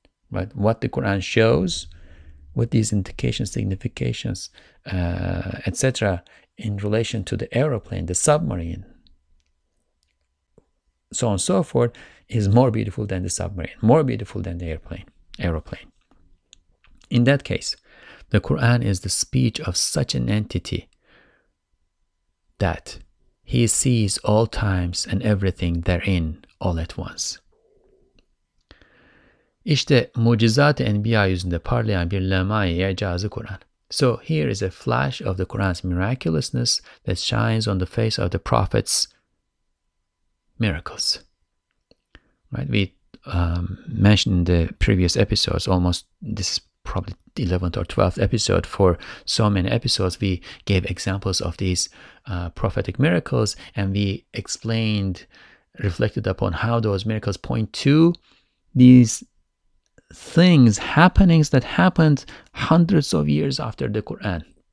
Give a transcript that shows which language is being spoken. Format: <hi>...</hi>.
<en>But what the Quran shows, with these indications, significations, etc., in relation to the aeroplane, the submarine, so on and so forth, is more beautiful than the submarine, more beautiful than the aeroplane. In that case, the Quran is the speech of such an entity that he sees all times and everything therein all at once.</en> <tr>İşte mucizat-ı enbiya yüzünde parlayan bir lemai i'cazı Kur'an.</tr> <en>So here is a flash of the Quran's miraculousness that shines on the face of the prophets' miracles. Right? We mentioned in the previous episodes, almost this probably 11th or 12th episode, for so many episodes we gave examples of these prophetic miracles, and we explained, reflected upon how those miracles point to these things, happenings that happened hundreds of years after the Quran.</en>